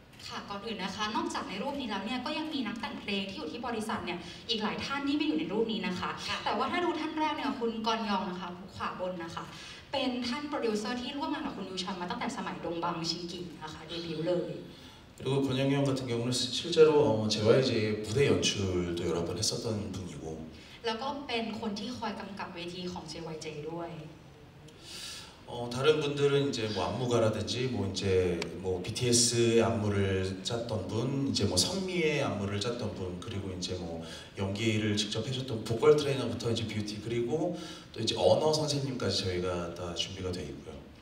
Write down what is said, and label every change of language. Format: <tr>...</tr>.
<th>ค่ะก่อนอื่นนะคะนอกจากในรูปนี้แล้วเนี่ยก็ยังมีนักแต่งเพลงที่อยู่ที่บริษัทเนี่ยอีกหลายท่านที่ไม่อยู่ในรูปนี้นะคะแต่ว่าถ้าดูท่านแรกเนี่ยคุณกอนยองนะคะขวาบนนะคะเป็นท่านโปรดิวเซอร์ที่ร่วมงานกับคุณยูชอนมาตั้งแต่สมัยดงบังชิงกินะคะเดบิวต์เลย</th> <ko>그리고권영영같은경우는실제로 JYJ 무대연출도여러번했었던분이고</ko> <th>แล้วก็เป็นคนที่คอยกำกับเวทีของ JYJ ด้วย</th> <ko>다른분들은이제뭐안무가라든지뭐이제뭐 BTS 의안무를짰던분이제뭐선미의안무를짰던분그리고이제뭐연기를직접해줬던보컬트레이너부터이제뷰티그리고또이제언어선생님까지저희가다준비가되어있고요</ko>